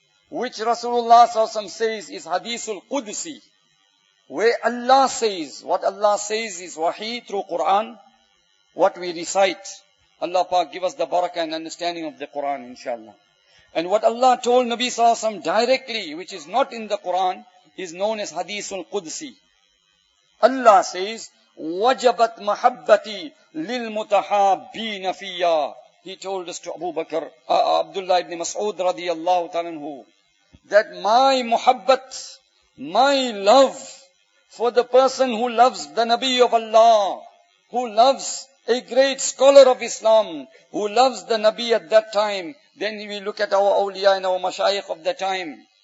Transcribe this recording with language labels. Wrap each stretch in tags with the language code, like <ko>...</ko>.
<en>which Rasulullah SAW says is Hadithul Qudsi, where Allah says, what Allah says is Wahi through Quran, what we recite. Allah Pak give us the barakah and understanding of the Quran, inshallah. And what Allah told Nabi SAW directly, which is not in the Quran, is known as Hadithul Qudsi. Allah says,</en> <ar>وَجَبَتْ مَحَبَّتِي لِلْمُتَحَابِينَ فِيَّا.</ar> <en>He told us to Abu Bakr, Abdullah ibn Mas'ud radiyallahu ta'ala anhu, that my muhabbat, my love for the person who loves the Nabi of Allah, who loves a great scholar of Islam, who loves the Nabi at that time, then we look at our awliya and our mashayikh of that time.</en>